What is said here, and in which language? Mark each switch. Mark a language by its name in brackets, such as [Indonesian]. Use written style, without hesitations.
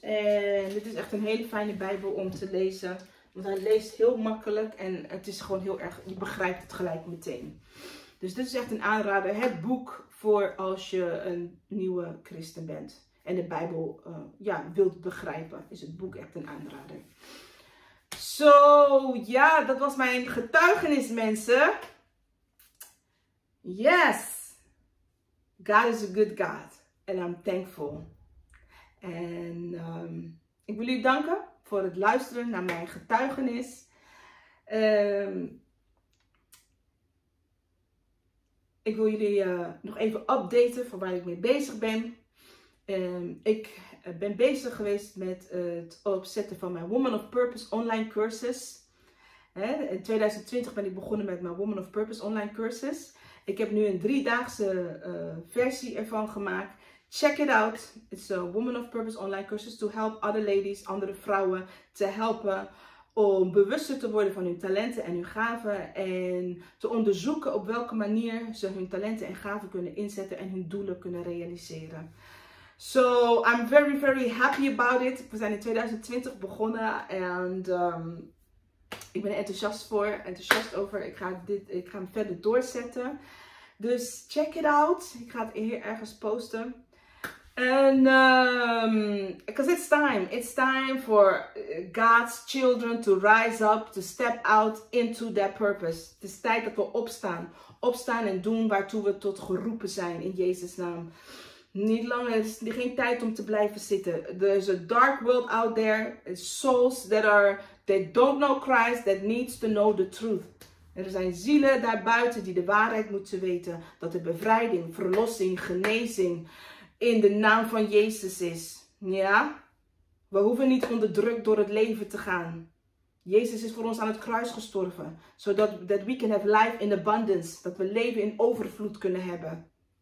[Dutch] En dit is echt een hele fijne Bijbel om te lezen. Want hij leest heel makkelijk en het is gewoon heel erg, je begrijpt het gelijk meteen. Dus dit is echt een aanrader. Het boek voor als je een nieuwe christen bent. En de Bijbel wilt begrijpen, is het boek echt een aanrader. Zo, ja, dat was mijn getuigenis, mensen. [English] Yes, God is a good God and I'm thankful. [Dutch] En ik wil u danken voor het luisteren naar mijn getuigenis. Ik wil jullie nog even updaten van waar ik mee bezig ben. Ik ben bezig geweest met het opzetten van mijn Woman of Purpose online cursus. In 2020 ben ik begonnen met mijn Woman of Purpose online cursus. Ik heb nu een 3-daagse versie ervan gemaakt. [English] Check it out. It's a Woman of Purpose online cursus to help other ladies, [Dutch] andere vrouwen, te helpen om bewuster te worden van hun talenten en hun gaven. En te onderzoeken op welke manier ze hun talenten en gaven kunnen inzetten en hun doelen kunnen realiseren. [English] So, I'm very, very happy about it. [Dutch] We zijn in 2020 begonnen en ik ben er enthousiast over. Ik ga hem verder doorzetten. Dus [English] check it out. [Dutch] Ik ga het hier ergens posten. En, [English] because it's time for God's children to rise up, to step out into their purpose. [Dutch] Het is tijd dat we opstaan. Opstaan en doen waartoe we tot geroepen zijn in Jezus' naam. Niet langer, er is geen tijd om te blijven zitten. [English] There's a dark world out there. It's souls that don't know Christ, that needs to know the truth. [Dutch] Er zijn zielen daarbuiten die de waarheid moeten weten. Dat er bevrijding, verlossing, genezing in de naam van Jezus is. Ja? We hoeven niet onderdrukt door het leven te gaan. Jezus is voor ons aan het kruis gestorven. Zodat [English] that we can have life in abundance. [Dutch] Dat we leven in overvloed kunnen hebben.